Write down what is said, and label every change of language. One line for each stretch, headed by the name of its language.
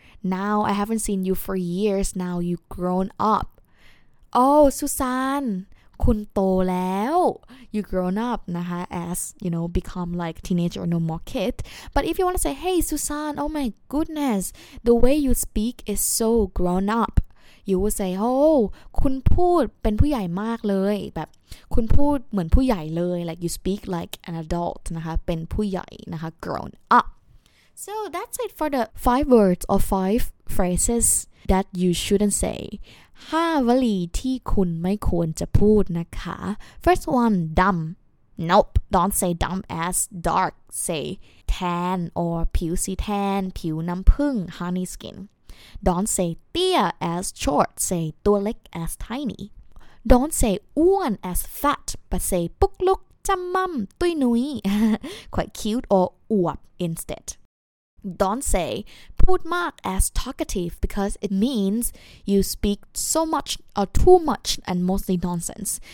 English: Now I haven't seen you for years. Now you've grown up. Oh, Susan,
Thai: คุณโตแล้ว
English: you've grown up, นะคะ as, you know, become like teenager or no more kid. But if you want to say, hey, Susan, oh my goodness, the way you speak is so grown up. You will say, oh,
Thai: คุณพูดเป็นผู้ใหญ่มากเลยแบบคุณพูดเหมือนผู้ใหญ่เลย
English: like you speak like an adult
Thai: นะคะเป็นผู้ใหญ่นะคะ
English: grown up so that's it for the 5 words or 5 phrases that you shouldn't say
Thai: 5วลีที่คุณไม่ควรจะพูดนะคะ
English: first one dumb nope don't say dumb as dark say tan or ผิวสีแทนผิวน้ำผึ้ง honey skinDon't say tia as short, say tualik as tiny. Don't say uan as fat, but say pukluk jamam tui nui, quite cute or uap instead. Don't say pud mak as talkative, because it means you speak so much or too much and mostly nonsense.